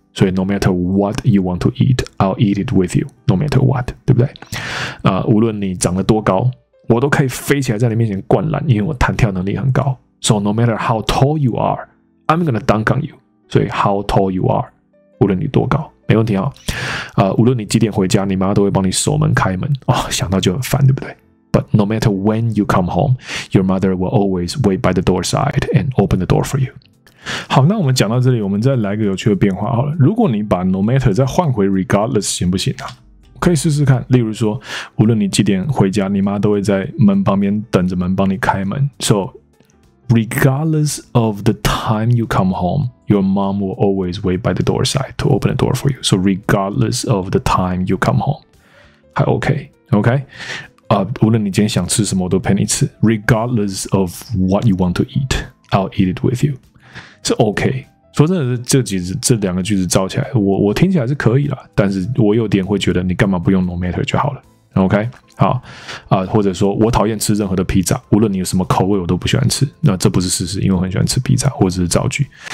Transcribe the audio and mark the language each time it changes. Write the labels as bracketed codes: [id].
[zh] 所以 [en] no matter what you want to eat， I'll eat it with you。 no matter what， [zh] 对不对？无论你长得多高，我都可以飞起来在你面前灌篮，因为我弹跳能力很高。 [en] So no matter how tall you are, I'm gonna dunk on you. [zh] 所以 [en] how tall you are， [zh] 无论你多高，没问题啊。无论你几点回家，你妈都会帮你锁门开门。哦，想到就很烦，对不对？ [en] But no matter when you come home, your mother will always wait by the door side and open the door for you. [zh] 好，那我们讲到这里，我们再来个有趣的变化好了。如果你把 no matter 再换回 regardless， 行不行啊？可以试试看，例如说，无论你几点回家，你妈都会在门旁边等着门帮你开门。 [en] So, regardless of the time you come home, your mom will always wait by the door side to open the door for you. So, regardless of the time you come home, [zh] 还 [en] OK, OK? [zh] 无论你今天想吃什么，我都陪你吃。 [en] Regardless of what you want to eat, I'll eat it with you. [zh] 是 OK。说真的，这两个句子造起来，我听起来是可以啦，但是我有点会觉得你干嘛不用 no matter 就好了。 OK， 好啊，或者说我讨厌吃任何的披萨，无论你有什么口味，我都不喜欢吃。那这不是事实，因为我很喜欢吃披萨，或者是造句。